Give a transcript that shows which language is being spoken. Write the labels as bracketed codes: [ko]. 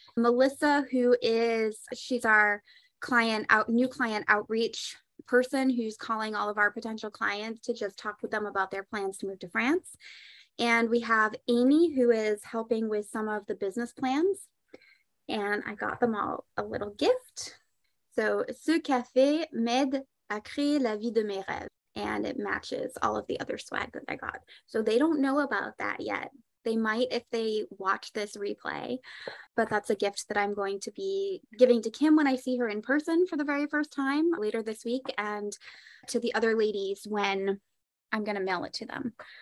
[en] Melissa, she's our new client outreach person who's calling all of our potential clients to just talk with them about their plans to move to France. And we have Amy, who is helping with some of the business plans. And I got them all a little gift. [fr] So, ce café m'aide à créer la vie de mes rêves. [en] And it matches all of the other swag that I got. So they don't know about that yet. They might if they watch this replay, but that's a gift that I'm going to be giving to Kim when I see her in person for the very first time later this week, and to the other ladies when I'm going to mail it to them.